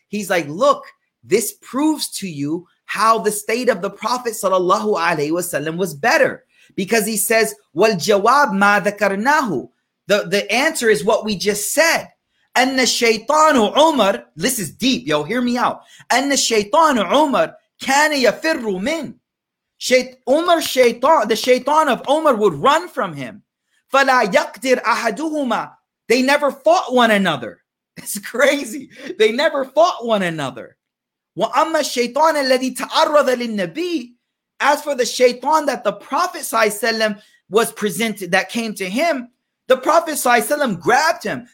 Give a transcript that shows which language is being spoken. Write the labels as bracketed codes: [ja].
[en] He's like, look, this proves to you how the state of the Prophet sallallahu alaihi wasallam was better. Because he says, [ar] والجواب ما ذكرناه. [en] The answer is what we just said. [ar] أن الشيطان عمر, [en] this is deep, yo, hear me out. [ar] أن الشيطان عمر كان يفر من. [en] The shaitan of Umar would run from him. [ar] فَلَا يَقْدِرْ أَحَدُهُمَا. [en] They never fought one another. It's crazy. They never fought one another. [ar] وَأَمَّا الشَّيْطَانَ الَّذِي تَعَرَّضَ لِلنَّبِيِّ. [en] As for the shaitan that the Prophet ﷺ was presented, that came to him, the Prophet ﷺ grabbed him.